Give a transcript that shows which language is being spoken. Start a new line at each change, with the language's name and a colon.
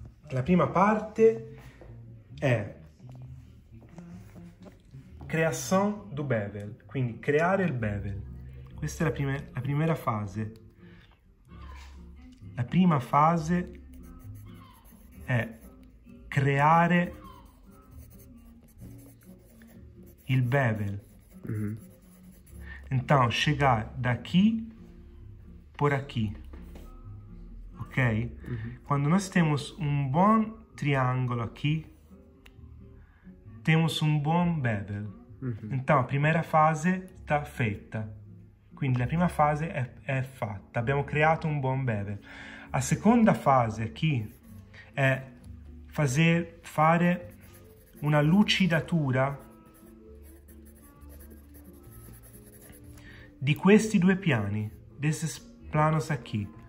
Italian: La prima parte è
French: création du bevel,
Italian: quindi creare il bevel. Questa è la prima fase. La prima fase è creare il bevel. Mm-hmm.
Portuguese: Então, chegar da qui por aqui, ok? Uhum. Quando nós temos um bom triângulo aqui, temos um bom bevel. Uhum. Então, a primeira fase está feita.
Italian: Quindi,
Portuguese: a primeira fase é fatta.
Italian: Abbiamo creato
Portuguese: um bom bevel. A segunda fase aqui é fare uma lucidatura
Italian: di questi due piani,
Portuguese: desse planos aqui.